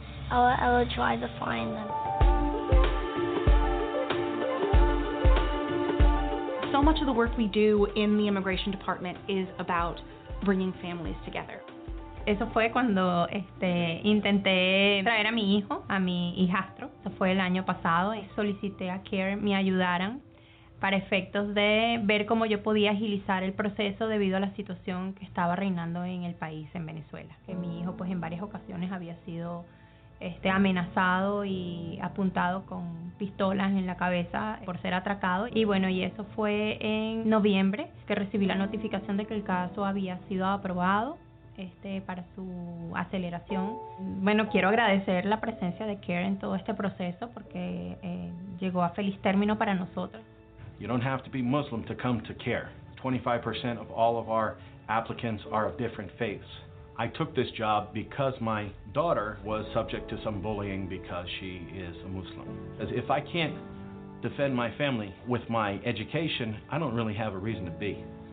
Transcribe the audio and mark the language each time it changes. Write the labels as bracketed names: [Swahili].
[English] I will try to find them. So much of the work we do in the immigration department is about bringing families together. [Spanish] Eso fue cuando intenté traer a mi hijo, a mi hijastro. Eso fue el año pasado. Solicité a CARE me ayudaran para efectos de ver cómo yo podía agilizar el proceso debido a la situación que estaba reinando en el país, en Venezuela. Que mi hijo, pues, en varias ocasiones había sido amenazado y apuntado con pistolas en la cabeza por ser atracado. Y bueno, y eso fue en noviembre que recibí la notificación de que el caso había sido aprobado para su aceleración. Bueno, quiero agradecer la presencia de CARE en todo este proceso porque llegó a feliz término para nosotros. [English] You don't have to be Muslim to come to CARE. 25% of all of our applicants are of different faiths. I took this job because my daughter was subject to some bullying because she is a Muslim. As if I can't defend my family with my education, I don't really have a reason to be.